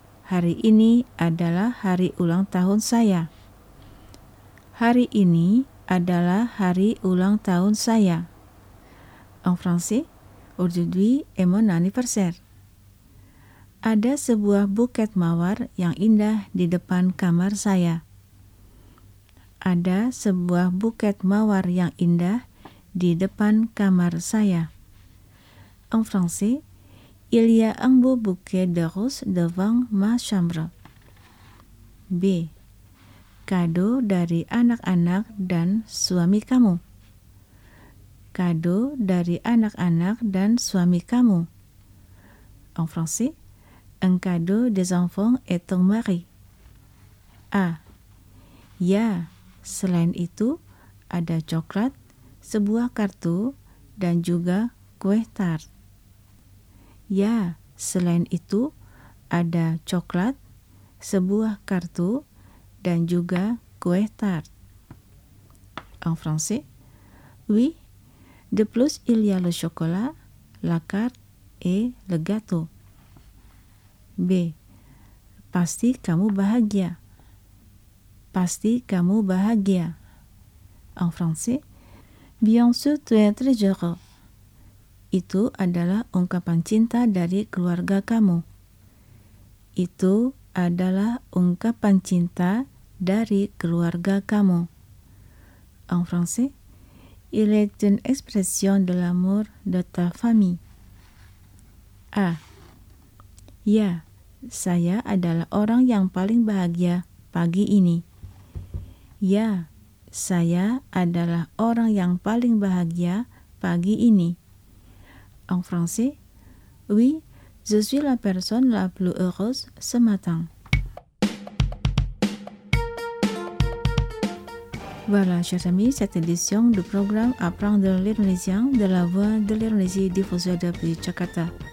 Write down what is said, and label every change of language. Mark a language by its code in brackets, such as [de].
[id] Hari ini adalah hari ulang tahun saya. Hari ini adalah hari ulang tahun saya. [fr] En français, aujourd'hui est mon anniversaire. [id] Ada sebuah buket mawar yang indah di depan kamar saya. Ada sebuah buket mawar yang indah di depan kamar saya. [fr] En français, il y a un beau bouquet de roses devant ma chambre. B. [id] Kado dari anak-anak dan suami kamu. Kado dari anak-anak dan suami kamu. [fr] En français, un cadeau des enfants et ton mari. [id] A. Ya, selain itu, ada coklat, sebuah kartu, dan juga kue tart. Ya, selain itu, ada coklat, sebuah kartu, dan juga kue tart. [fr] En français, oui, de plus il y a le chocolat, la carte et le gâteau. B. [id] Pasti kamu bahagia. Pasti kamu bahagia. [fr] En français, bien sûr tu es très heureux. [id] Itu adalah ungkapan cinta dari keluarga kamu. Itu adalah ungkapan cinta dari keluarga kamu. [fr] En français, il est une expression de l'amour de ta famille. A. [id] Ya, saya adalah orang yang paling bahagia pagi ini. Ya, saya adalah orang yang paling bahagia pagi ini. [fr] En français, oui, je suis la personne la plus heureuse ce matin. Voilà, chers amis, cette édition du programme Apprendre l'Indonésien de la voix de l'Indonésie diffusée depuis Jakarta.